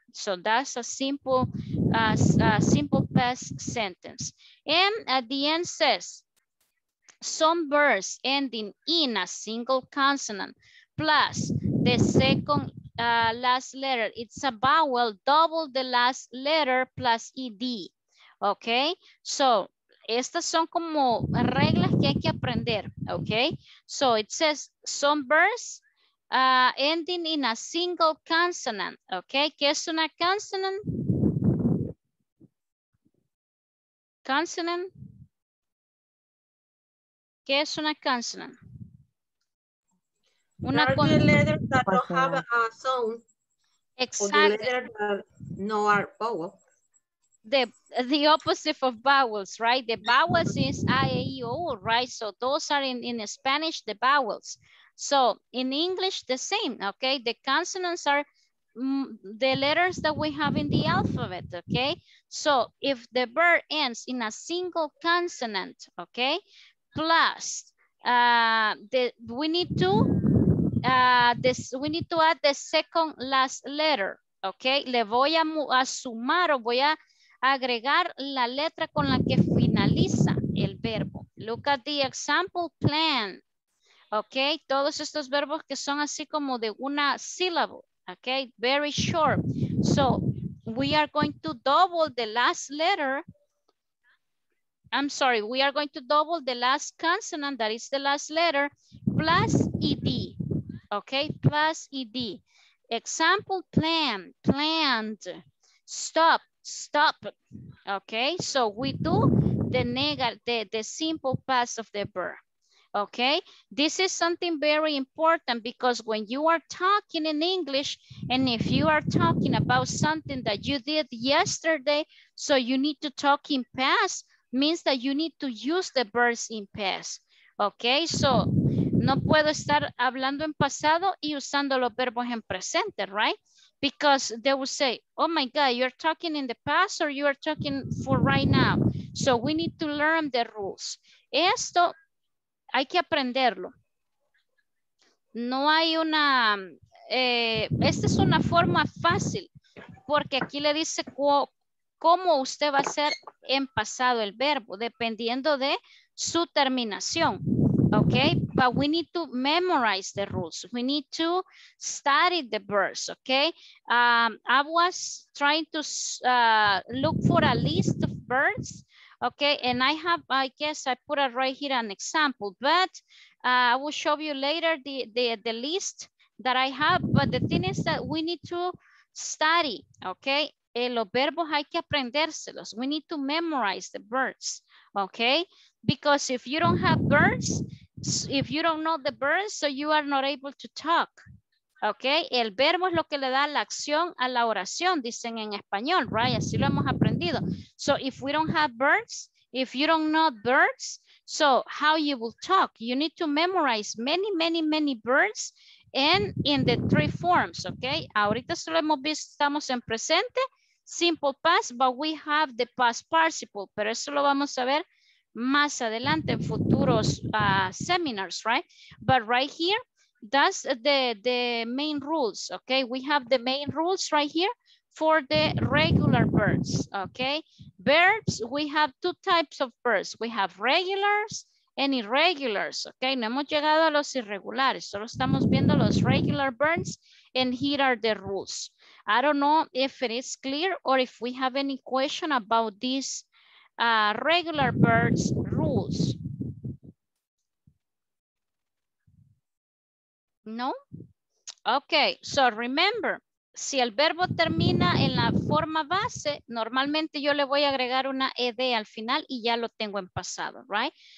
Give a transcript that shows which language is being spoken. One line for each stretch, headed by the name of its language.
English: So that's a simple simple past sentence. And at the end says, some verbs ending in a single consonant plus the second last letter. It's a vowel, double the last letter plus ED.
Spanish: Okay, so estas son como reglas que hay que aprender.
English: Okay, so it says some verbs ending in a single consonant.
Spanish: Okay, ¿qué es una consonant?
English: Consonant.
Spanish: ¿Qué es una consonant? Una consonant.
English: Are the letters that don't have a sound. Exactly. Or the letters that no are vowel. The opposite of vowels, right? The vowels is I, A, E, O, right? So those are in Spanish, the vowels. So in English, the same, okay? The consonants are the letters that we have in the alphabet, okay? So if the verb ends in a single consonant, okay? Plus, we need to add the second last letter, okay?
Spanish: Le voy a sumar o voy a agregar la letra con la que finaliza el verbo.
English: Look at the example,
Spanish: plan. Okay, todos estos verbos que son así como de una syllable.
English: Okay, very short. So we are going to double the last letter. I'm sorry, we are going to double the last consonant, that is the last letter, plus ED. Okay, plus ED. Example, plan, planned, stop. Stop. Okay, so we do the negative, the simple past of the verb. Okay, this is something very important because when you are talking in English and if you are talking about something that you did yesterday, so you need to talk in past, means that you need to use the verbs in past.
Spanish: Okay, so no puedo estar hablando en pasado y usando los verbos en presente, right?
English: Because they will say, oh my God, you're talking in the past or you are talking for right now. So we need to learn the rules.
Spanish: Esto hay que aprenderlo. No hay una, esta es una forma fácil porque aquí le dice cómo usted va a hacer en pasado el verbo dependiendo de su terminación.
English: Okay, but we need to memorize the rules. We need to study the verbs, okay? I was trying to look for a list of verbs, okay? And I have, I guess I put it right here an example, but I will show you later the list that I have, but the thing is that we need to study, okay?
Spanish: Los verbos hay que aprendérselos.
English: We need to memorize the verbs, okay? Because if you don't have verbs, if you don't know the verbs, so you are not able to talk.
Spanish: Okay, el verbo es lo que le da la acción a la oración, dicen en español, right? Así lo hemos aprendido.
English: So if we don't have verbs, if you don't know verbs, so how you will talk? You need to memorize many, many, many verbs and in the three forms, okay?
Spanish: Ahorita solo hemos visto, estamos en presente, simple past,
English: but we have the past participle,
Spanish: pero eso lo vamos a ver más adelante en futuros seminars, right?
English: But right here, that's the main rules, okay? We have the main rules right here for the regular verbs, okay? Verbs, we have two types of verbs. We have regulars and irregulars, okay?
Spanish: No hemos llegado a los irregulares, solo estamos viendo los regular verbs,
English: and here are the rules. I don't know if it is clear or if we have any question about this regular verbs rules. No? Okay, so remember,
Spanish: si el verbo termina en la forma base, normalmente yo le voy a agregar una ed al final y ya lo tengo en pasado, right?